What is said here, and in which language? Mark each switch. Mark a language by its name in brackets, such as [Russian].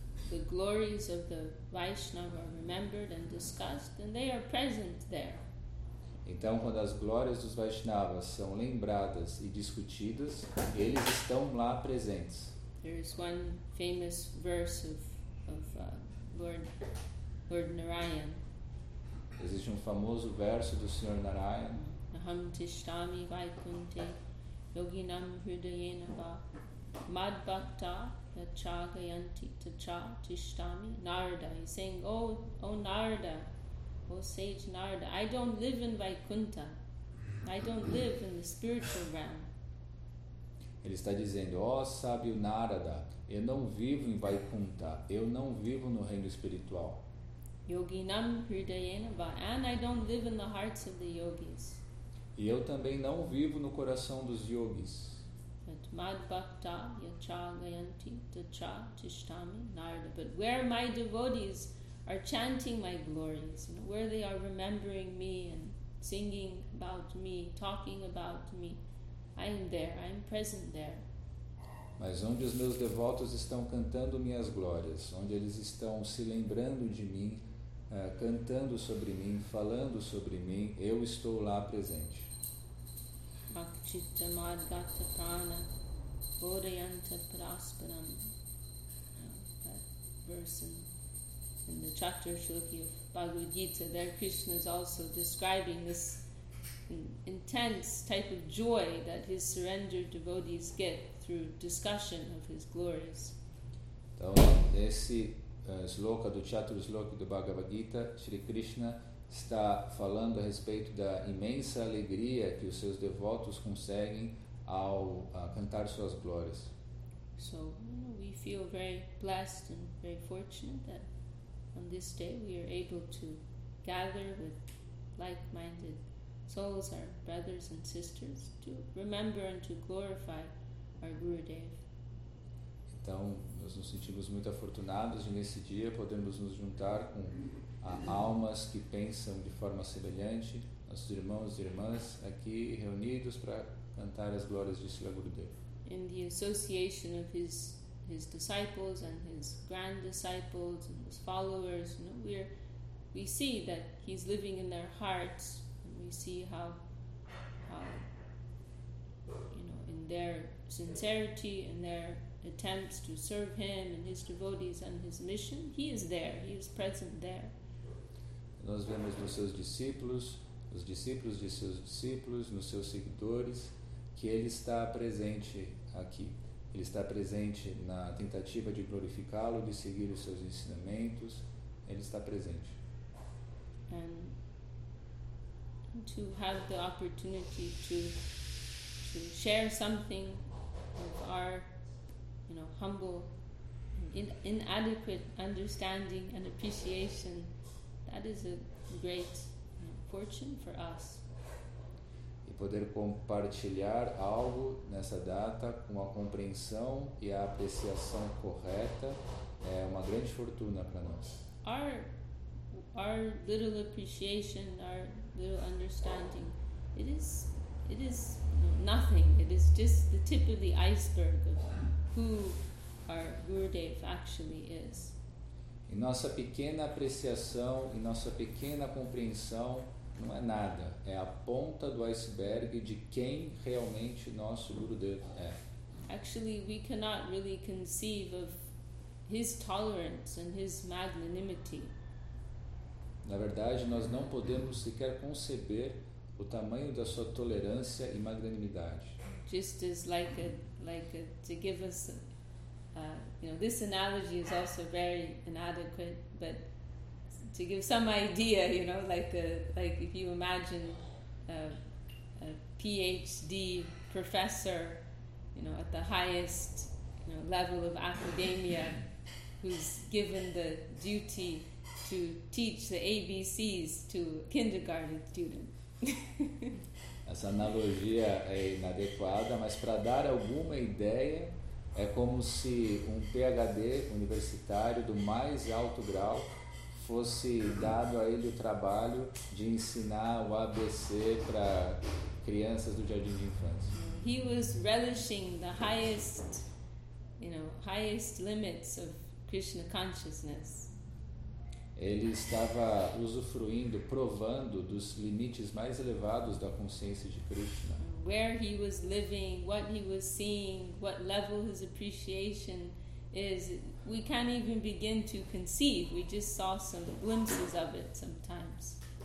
[English] the glories of the Vaishnava are remembered and discussed, then they are present there. [Portuguese] Então, quando as glórias dos Vaishnavas são lembradas e discutidas, eles estão lá presentes. [English] There is one famous verse of Lord Narayan. [Portuguese] Existe um famoso verso do Senhor Narayana. [Sanskrit] Aham tiṣṭhāmi Vaikuṇṭhe yoginam hṛdayena vā madbhaktā yacchāgayanti tacchā tiṣṭhāmi. [English] Narada, he's saying, oh Narada, oh sage Narada, I don't live in Vaikuṇṭha, I don't live in the spiritual realm. [Portuguese] Ele está dizendo: ó sábio Narada, eu não vivo em Vaikuntha, eu não vivo no reino espiritual. [Sanskrit] Yoginam hṛdayena vā, [English] and I don't live in the hearts of the yogis. [Portuguese] E eu também não vivo no coração dos yogis. [Sanskrit] Mad bhakta yacchāgayanti tacchā tiṣṭhāmi Narada. [English] But where my devotees are chanting my glories, you know, where they are remembering me and singing about me, talking about me, I'm there, I'm present there. [Portuguese] Mas onde os meus devotos estão cantando minhas glórias, onde eles estão se lembrando de mim, cantando sobre mim, falando sobre mim, eu estou lá presente. [Sanskrit] Bhakti madgata prana bodhayanta prasparam. [English] That verse in the chapter shloki of Bhagavad Gita, there Krishna is also describing this intense type of joy that his surrendered devotees get through discussion of his glories. [Portuguese] Então, nesse sloka do Chatur Sloka do Bhagavad Gita, Shri Krishna está falando a respeito da imensa alegria que os seus devotos conseguem ao cantar suas glórias. [English] So, we feel very blessed and very fortunate that on this day we are able to gather with like-minded souls, our brothers and sisters, to remember and to glorify our Gurudev. [Portuguese] Então, nós nos sentimos muito afortunados de nesse dia podermos nos juntar com almas que pensam de forma semelhante, nossos irmãos e irmãs aqui reunidos para cantar as glórias de Srila Gurudev. [English] In the association of his disciples and his grand disciples and his followers, you know, we see that he's living in their hearts. We see how, you know, in their sincerity, in their attempts to serve him and his devotees and his mission, he is there, he is present there. [Portuguese] Nós vemos nos seus discípulos, nos discípulos de seus discípulos, nos seus seguidores, que ele está presente aqui. Ele está presente na tentativa de glorificá-lo, de seguir os seus ensinamentos. Ele está presente. [English] To have the opportunity to share something of our, you know, humble, inadequate understanding and appreciation that is a great fortune for us. [Portuguese] E poder compartilhar algo nessa data com a compreensão e a apreciação correta é uma grande fortuna para nós. [English] Our little appreciation, our little understanding, it is nothing. It is just the tip of the iceberg of who our Gurudev actually is. [Portuguese] E nossa pequena apreciação e nossa pequena compreensão não é nada, é a ponta do iceberg de quem realmente nosso Gurudev é. [English] Actually, we cannot really conceive of his tolerance and his magnanimity. [Portuguese] Na verdade, nós não podemos sequer conceber o tamanho da sua tolerância e magnanimidade. [English] Just as like a, to give us this analogy is also very inadequate, but to give some idea, like if you imagine a PhD professor, at the highest, level of academia, who's given the duty to teach the ABCs to a kindergarten student. [Portuguese] Essa analogia é inadequada, mas para dar alguma ideia, é como se um PhD universitário do mais alto grau fosse dado a ele o trabalho de ensinar o ABC para crianças do jardim de infância. [English] He was relishing the highest, highest limits of Krishna consciousness. [Portuguese] Ele estava usufruindo, provando dos limites mais elevados da consciência de Krishna. [English] Where he was living, what he was seeing, what level his appreciation is, we can't even begin to conceive. We just saw some glimpses of it sometimes.